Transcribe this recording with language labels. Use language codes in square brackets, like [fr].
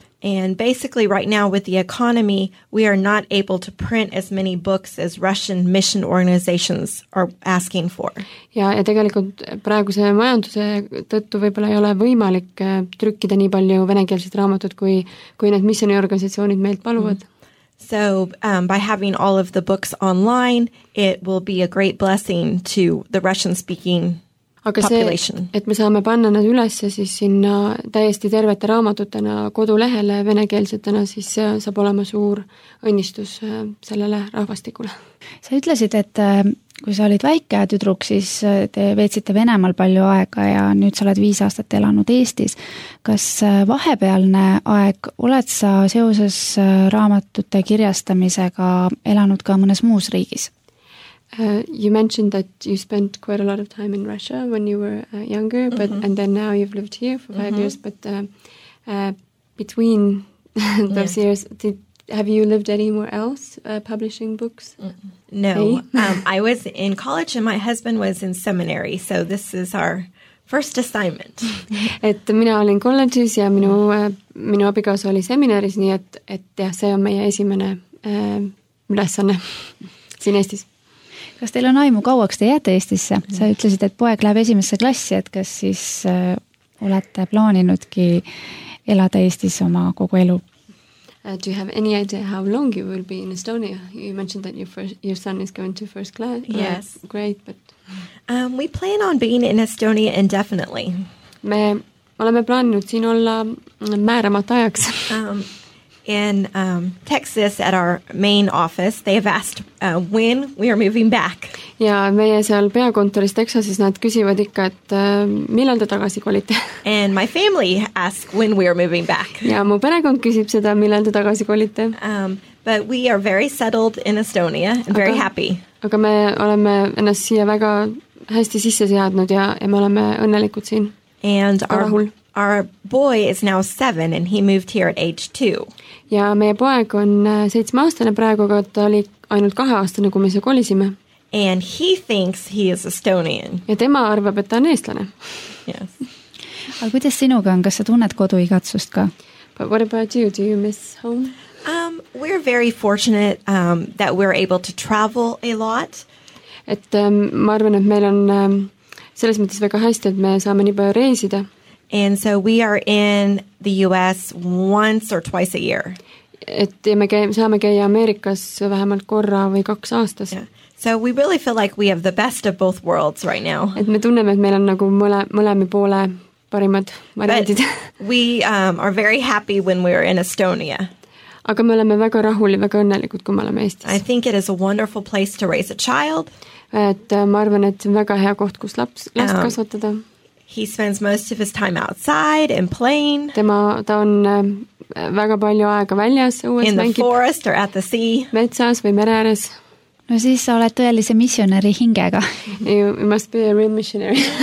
[en] And basically right now with the economy, we are not able to print as many books as Russian mission organizations are asking for. [et] Ja tegelikult praeguse majanduse tõttu võib-olla ei ole võimalik trükkida nii palju venekeelsed raamatud, kui need missioni organisatsioonid meilt paluvad. Mm. [en] So by having all of the books online, it will be a great blessing to the Russian-speaking [et] Aga see, et me saame panna nad ülesse siis sinna täiesti tervete raamatutena kodulehele venekeelsetena, siis see saab olema suur õnnistus sellele rahvastikule. Sa ütlesid, et kui sa olid väike tüdruk, siis te veetsite Venemal palju aega ja nüüd sa oled 5 aastat elanud Eestis. Kas vahepealne aeg oled sa seoses raamatute kirjastamisega elanud ka mõnes muus riigis? [en] You mentioned that you spent quite a lot of time in Russia when you were younger, but and then now you've lived here for 5 years. But between those years, have you lived anywhere else publishing books? Mm-hmm. No, I was in college and my husband was in seminary, so this is our first assignment. [et] Et mina olin kolledžis ja minu abikaas oli seminaris, nii et ja see on meie esimene ülesanne siin Eestis. Kas teil on aimu kauaks te jääte Eestisse? Sa ütlesid, et poeg läheb esimesse klassi, et kas siis olete plaaninudki elada Eestis oma kogu elu? [en] Do you have any idea how long you will be in Estonia? You mentioned that your son is going to first class. Yes. Great, but... We plan on being in Estonia indefinitely. [et] Me oleme plaaninud siin olla määramat ajaks. [en] In Texas at our main office, they have asked when we are moving back. [et] Ja meie seal peakontoris Texasis nad küsivad ikka, et millal te tagasi kolite. [en] And my family asks when we are moving back. [et] Ja mu perekond küsib seda, millal te tagasi kolite. [en] But we are very settled in Estonia and very happy. [et] Aga me oleme ennast siia väga hästi sisse seadnud ja me oleme õnnelikud siin. [en] And our boy is now 7 and he moved here at age 2. [et] Ja meie poeg on 7-aastane praegu, aga ta oli ainult 2-aastane, kui me see kolisime. [en] And he thinks he is Estonian. [et] Ja tema arvab, et ta on eestlane. [en] Yes. [et] Aga kuidas sinuga on? Kas sa tunned koduigatsust ka? [en] But what about you? Do you miss home? We're very fortunate that we're able to travel a lot. [et] Et ma arvan, et meil on selles mõttes väga hästi, et me saame nii palju reisida. [en] And so we are in the US once or twice a year. [et] Et me saame käia Ameerikas vähemalt korra või 2 aastas. [en] Yeah. So we really feel like we have the best of both worlds right now. [et] Et me tunneme, et meil on nagu mõlemi poole parimad variantid. [en] We are very happy when we are in Estonia. [et] Aga me oleme väga rahul ja väga õnnelikud, kui me oleme Eestis. [en] I think it is a wonderful place to raise a child. [et] Et ma arvan, et see on väga hea koht, kus last kasvatada. [en] He spends most of his time outside and playing. [et] Ta on väga palju aega väljas. [en] In the forest or at the sea. [et] Metsas või mere ääres. No siis sa oled tõelise missionäri hingega. [en] You must be a real missionary.